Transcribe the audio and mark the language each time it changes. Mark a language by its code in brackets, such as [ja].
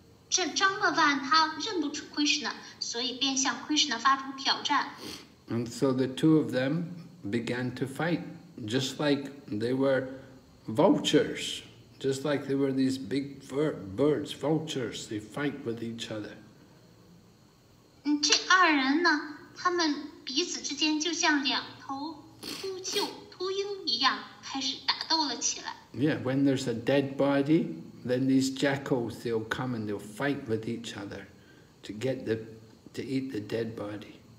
[zh] 这张伯万他认不出 Krishna, 所以便向 Krishna 发出挑战。And [en] so the two of them began to fight, just like they were vultures, just like they were these big birds, vultures. They fight with each other. [zh] 这二人呢，他们彼此之间就像两头秃鹫、秃鹰一样，开始打斗了起来。Yeah, [en] when there's a dead body, then these jackals, they'll come and they'll fight with each other to get the to eat the dead body.